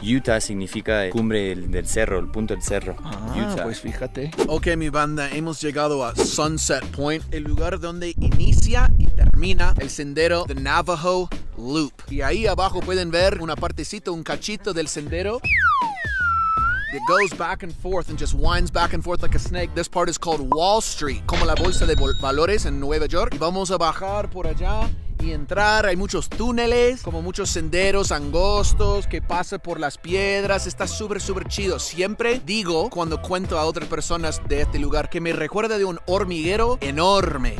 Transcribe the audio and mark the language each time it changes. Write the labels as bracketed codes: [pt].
[es] Utah significa cumbre del cerro, el punto del cerro. Ah, Utah. Pues fíjate. Ok, mi banda, hemos llegado a Sunset Point, el lugar donde inicia y termina el sendero The Navajo Loop. Y ahí abajo pueden ver una partecita, un cachito del sendero. [en] It goes back and forth and just winds back and forth like a snake. This part is called Wall Street, [es] como la bolsa de valores en Nueva York. Y vamos a bajar por allá y entrar. Hay muchos túneles, como muchos senderos angostos que pasan por las piedras. Está súper, súper chido. Siempre digo, cuando cuento a otras personas de este lugar, que me recuerda de un hormiguero enorme.